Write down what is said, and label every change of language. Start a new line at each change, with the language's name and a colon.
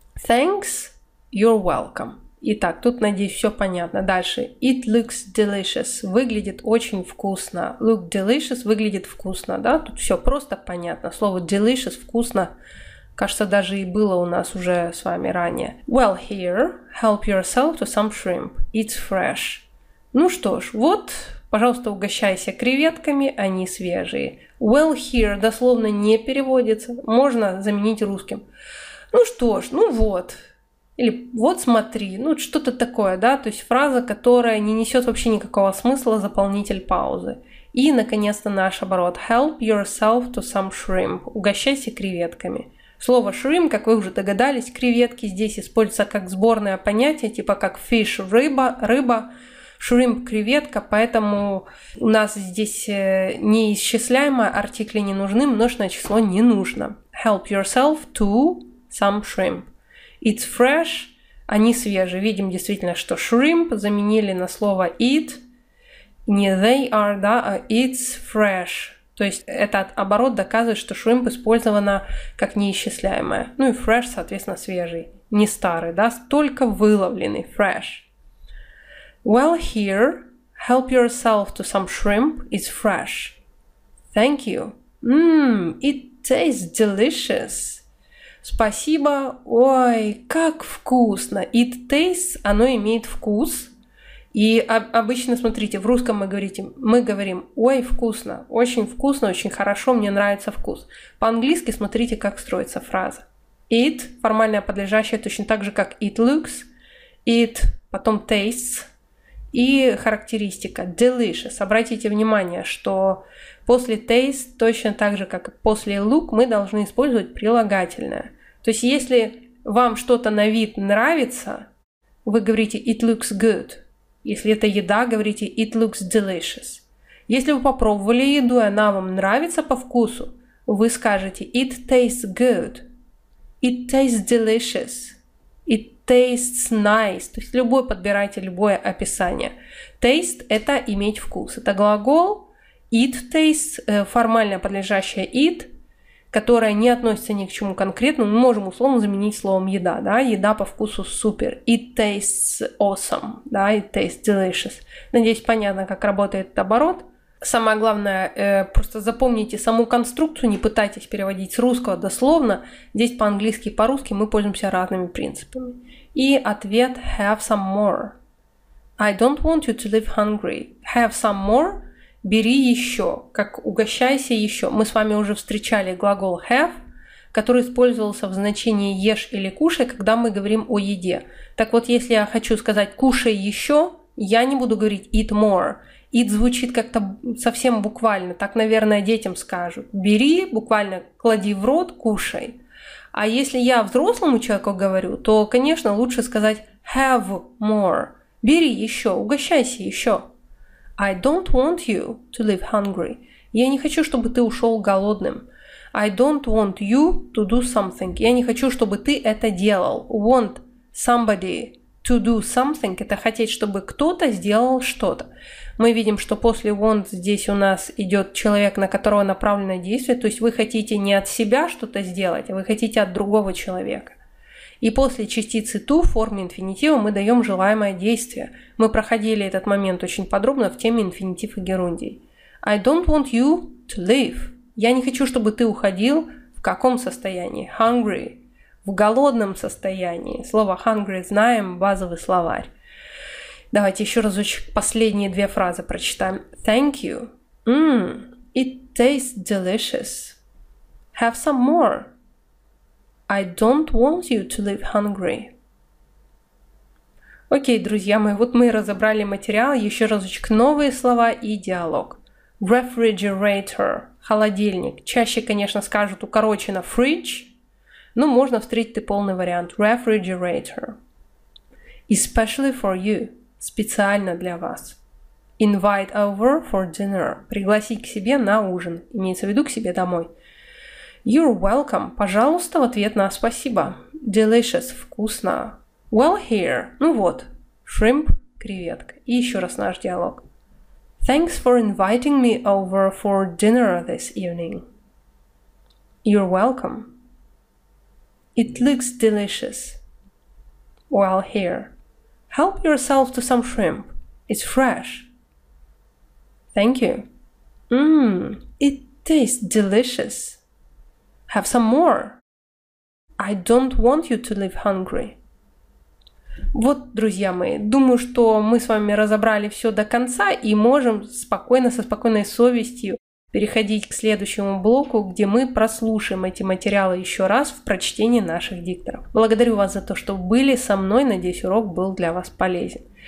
English: Thanks, you're welcome.
Russian: Итак, тут, надеюсь, все понятно. Дальше.
English: It looks delicious.
Russian: Выглядит очень вкусно.
English: Look delicious.
Russian: Выглядит вкусно. Да, тут все просто понятно. Слово delicious, вкусно, кажется, даже и было у нас уже с вами ранее.
English: Well, here, help yourself to some shrimp. It's fresh.
Russian: Ну что ж, вот, пожалуйста, угощайся креветками, они свежие.
English: Well, here
Russian: дословно не переводится. Можно заменить русским. Ну что ж, ну вот. Или вот смотри, ну что-то такое, да, то есть фраза, которая не несет вообще никакого смысла, заполнитель паузы. И, наконец-то, наш оборот.
English: Help yourself to some shrimp.
Russian: Угощайся креветками. Слово shrimp, как вы уже догадались, креветки здесь используются как сборное понятие, типа как fish – рыба, рыба, shrimp – креветка, поэтому у нас здесь неисчисляемые артикли не нужны, множественное число не нужно.
English: Help yourself to some shrimp. It's fresh,
Russian: они свежие. Видим действительно, что shrimp заменили на слово it. Не
English: they are,
Russian: да, а
English: it's fresh.
Russian: То есть этот оборот доказывает, что shrimp использована как неисчисляемое. Ну и fresh, соответственно, свежий. Не старый, да, только выловленный.
English: Fresh. Well, here, help yourself to some shrimp. It's fresh. Thank you. It tastes delicious.
Russian: Спасибо. Ой, как вкусно.
English: It tastes,
Russian: оно имеет вкус. И обычно, смотрите, в русском мы говорим, ой, вкусно. Очень вкусно, очень хорошо, мне нравится вкус. По-английски смотрите, как строится фраза. It, формальное подлежащее, точно так же, как
English: it looks.
Russian: It, потом tastes. И характеристика delicious. Обратите внимание, что после taste, точно так же, как после look, мы должны использовать прилагательное. То есть, если вам что-то на вид нравится, вы говорите
English: «it looks good».
Russian: Если это еда, говорите
English: «it looks delicious».
Russian: Если вы попробовали еду, и она вам нравится по вкусу, вы скажете
English: «it tastes good», «it tastes delicious», «it tastes nice».
Russian: То есть, любой подбирайте любое описание. «Taste» – это «иметь вкус». Это глагол
English: «it tastes»,
Russian: формально подлежащее «it», которая не относится ни к чему конкретному, мы можем условно заменить словом «еда». Да? Еда по вкусу супер.
English: It tastes awesome.
Russian: Да?
English: It tastes delicious.
Russian: Надеюсь, понятно, как работает этот оборот. Самое главное, просто запомните саму конструкцию, не пытайтесь переводить с русского дословно. Здесь по-английски и по-русски мы пользуемся разными принципами. И ответ
English: «have some more». «I don't want you to live hungry». «Have some more».
Russian: Бери еще, как угощайся еще. Мы с вами уже встречали глагол have, который использовался в значении ешь или кушай, когда мы говорим о еде. Так вот, если я хочу сказать кушай еще, я не буду говорить
English: eat more.
Russian: Eat звучит как-то совсем буквально. Так, наверное, детям скажут. Бери, буквально клади в рот, кушай. А если я взрослому человеку говорю, то, конечно, лучше сказать
English: have more.
Russian: Бери еще, угощайся еще.
English: I don't want you to leave hungry.
Russian: Я не хочу, чтобы ты ушел голодным.
English: I don't want you to do something.
Russian: Я не хочу, чтобы ты это делал.
English: Want somebody to do something
Russian: – это хотеть, чтобы кто-то сделал что-то. Мы видим, что после want здесь у нас идет человек, на которого направлено действие. То есть вы хотите не от себя что-то сделать, а вы хотите от другого человека. И после частицы to в форме инфинитива мы даем желаемое действие. Мы проходили этот момент очень подробно в теме инфинитив и герундий. I don't want you to leave. Я не хочу, чтобы ты уходил в каком состоянии? Hungry. В голодном состоянии. Слово hungry знаем, базовый словарь. Давайте еще разочек последние две фразы прочитаем.
English: Thank you. It tastes delicious. Have some more. I don't want you to leave hungry.
Russian: Окей, друзья мои, вот мы и разобрали материал. Еще разочек новые слова и диалог. Refrigerator – холодильник. Чаще, конечно, скажут укорочено fridge, но можно встретить и полный вариант.
English: Refrigerator. Especially for you –
Russian: специально для вас.
English: Invite over for dinner
Russian: – пригласить к себе на ужин. Имеется в виду к себе домой.
English: You're welcome.
Russian: Пожалуйста, в ответ на спасибо.
English: Delicious.
Russian: Вкусно.
English: Well here.
Russian: Ну вот. Shrimp. Креветка. И еще раз наш диалог.
English: Thanks for inviting me over for dinner this evening. You're welcome. It looks delicious. Well here. Help yourself to some shrimp. It's fresh. Thank you. It tastes delicious. Have some more. I don't want you to leave hungry.
Russian: Вот, друзья мои, думаю, что мы с вами разобрали все до конца и можем спокойно, со спокойной совестью переходить к следующему блоку, где мы прослушаем эти материалы еще раз в прочтении наших дикторов. Благодарю вас за то, что были со мной. Надеюсь, урок был для вас полезен.